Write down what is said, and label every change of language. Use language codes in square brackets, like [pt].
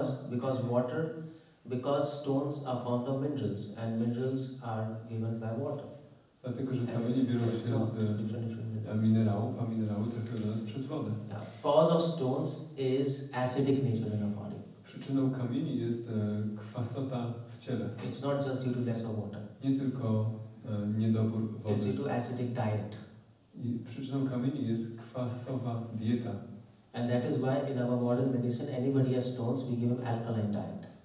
[en] because water, because stones are formed of minerals, and minerals are given by water. [pl] Dlatego, że kamienie biorą się z minerałów, a minerały trafiają do nas przez wodę. [en] Cause of stones is acidic nature in our body. [pl] Przyczyną kamieni jest kwasota w ciele. [en] It's not just due to less of water. [pl] Nie tylko niedobór wody. [en] It's due to acidic diet. [pl] I przyczyną kamieni jest kwasowa dieta. [en] And that is why in our modern medicine, anybody has stones, we give them alkaline diet.